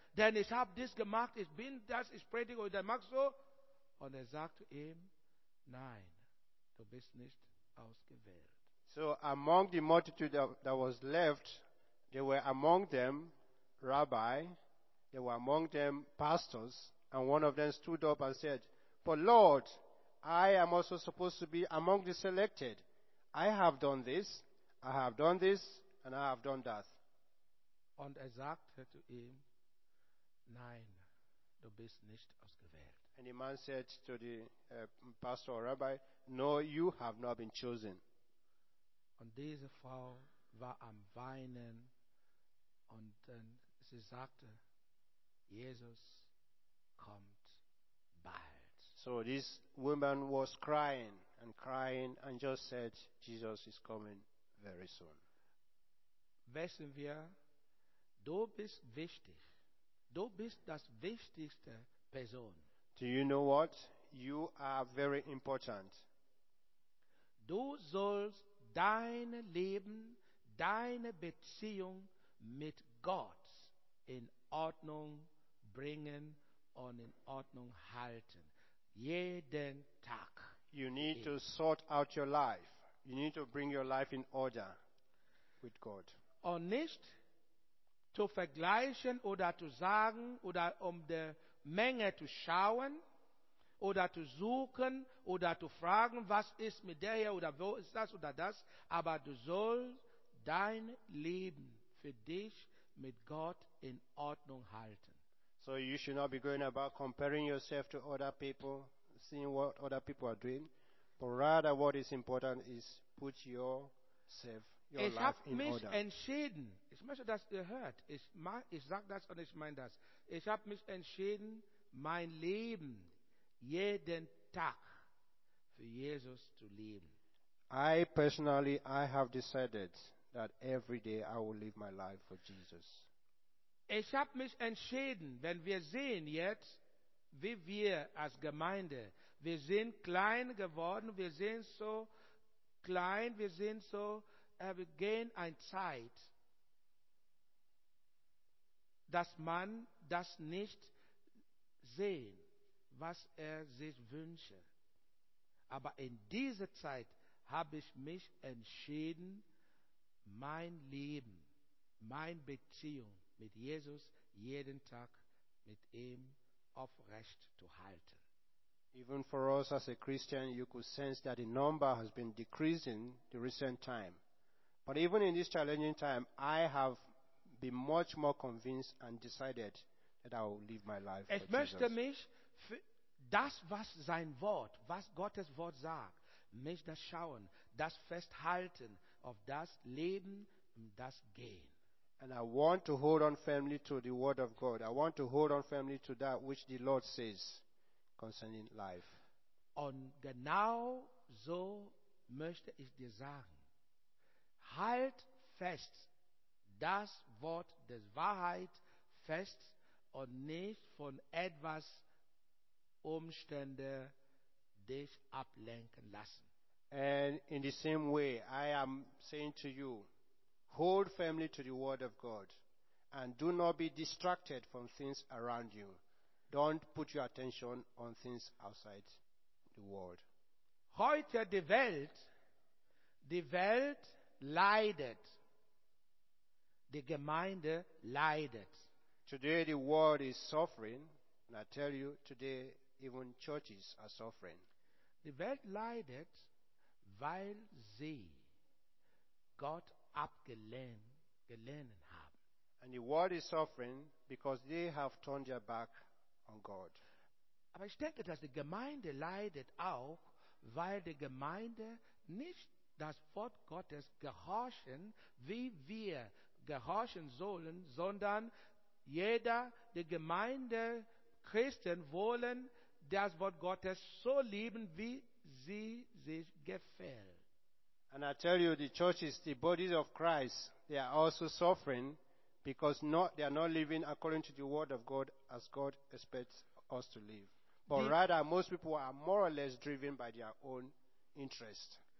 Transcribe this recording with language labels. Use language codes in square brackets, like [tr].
[de] Denn ich habe das gemacht, ich bin das, ich predige und ich mag so. Und er sagt zu ihm, nein, du bist nicht ausgewählt. [en] So among the multitude that was left, there were among them rabbi, there were among them pastors, and one of them stood up and said, but Lord, I am also supposed to be among the selected. I have done this, I have done this, and I have done that. [de] Und er sagte zu ihm, nein, du bist nicht ausgewählt. [en] And the man said to the pastor or rabbi, no, you have not been chosen. [de] Und diese Frau war am Weinen und dann sie sagte, Jesus kommt bald. [en] So this woman was crying and just said, Jesus is coming very soon. [de] Wissen wir, du bist wichtig. Du bist das wichtigste Person. [en] Do you know what? You are very important. [de] Du sollst dein Leben, deine Beziehung mit Gott in Ordnung bringen und in Ordnung halten. Jeden Tag. [en] You need to sort out your life. You need to bring your life in order with God. [de] Und nicht zu vergleichen oder zu sagen oder um die Menge zu schauen oder zu suchen oder zu fragen, was ist mit der hier oder wo ist das oder das, aber du sollst dein Leben für dich mit Gott in Ordnung halten. [en] So you should not be going about comparing yourself to other people, seeing what other people are doing, but rather what is important is put yourself [de] Ich habe mich entschieden, ich möchte, dass ihr hört, ich sage das und ich meine das. Ich habe mich entschieden, mein Leben jeden Tag für Jesus zu leben. [en] I personally have decided that every day I will live my life for Jesus. [de] Ich habe mich entschieden, wenn wir sehen jetzt, wie wir als Gemeinde, wir sind klein geworden, wir sind so klein, wir sind so, wir gehen eine Zeit, dass man das nicht sehen, was er sich wünscht. Aber in dieser Zeit habe ich mich entschieden, mein Leben, meine Beziehung mit Jesus jeden Tag mit ihm aufrecht zu halten. [en] Even for us as a Christian, you could sense that the number has been decreasing the recent time. But even in this challenging time, I have been much more convinced and decided that I will live my life for Jesus. [de] Ich möchte mich für das, was sein Wort, was Gottes Wort sagt, mich das schauen, das festhalten auf das Leben und das Gehen. [en] And I want to hold on firmly to the word of God. I want to hold on firmly to that which the Lord says concerning life. [de] Und genau so möchte ich dir sagen. Halt fest das Wort der Wahrheit fest und nicht von etwas Umstände dich ablenken lassen. [en] And in the same way, I am saying to you, hold firmly to the word of God and do not be distracted from things around you. Don't put your attention on things outside the world. [de] Heute die Welt leidet. Die Gemeinde leidet. [en] Today the world is suffering, and I tell you, today even churches are suffering. [de] Die Welt leidet, weil sie Gott abgelehnt haben. [en] And the world is suffering because they have turned their back on God. [de] Aber ich denke, dass die Gemeinde leidet auch, weil die Gemeinde nicht das Wort Gottes gehorchen, wie wir gehorchen sollen, sondern jeder, die Gemeinde, Christen wollen das Wort Gottes so lieben, wie sie sich gefällt. [en] And I tell you, the churches, the bodies of Christ, they are also suffering because they are not living according to the word of God as God expects us to live. But rather, most people are more or less driven by their own interest.